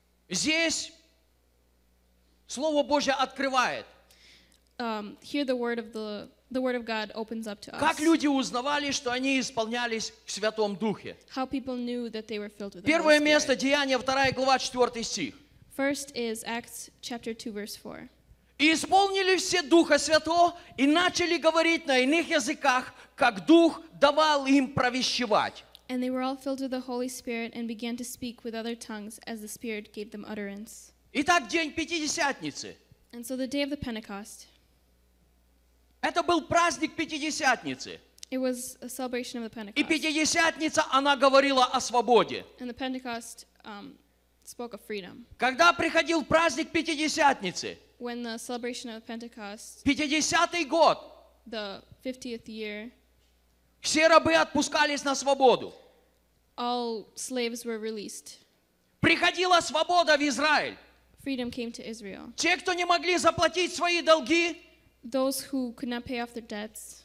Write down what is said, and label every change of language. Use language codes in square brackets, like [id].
[uk] Здесь слово Боже відкриває. [en] Here the word of God opens up to us. [uk] Як люди узнавали, що вони [ru] исполнялись в Святом Духе? [en] How people knew that they were filled with the Holy Spirit. [uk] Перше місце діяння, 2 глава, 4 стих. [en] First is Acts chapter 2 verse 4. [ru] И исполнили все Духа Святого и начали говорить на иных языках, как Дух давал им провещевать. [en] And they were all filled with the Holy Spirit and began to speak with other tongues as the Spirit gave them utterance. [ru] Итак, день Пятидесятницы. [en] And so the day of the Pentecost. [ru] Это был праздник Пятидесятницы. [en] It was a celebration of the Pentecost. [ru] И Пятидесятница, она говорила о свободе. [en] And the Pentecost spoke of freedom. [ru] Когда приходил праздник Пятидесятницы, [en] when the celebration of Pentecost, [ru] 50-й год, [en] the 50th year, [ru] все рабы отпускались на свободу. [en] All slaves were released. [ru] Приходила свобода в Израиль. [en] Freedom came to Israel. [ru] Те, кто не могли заплатить свои долги, [en] those who could not pay off their debts,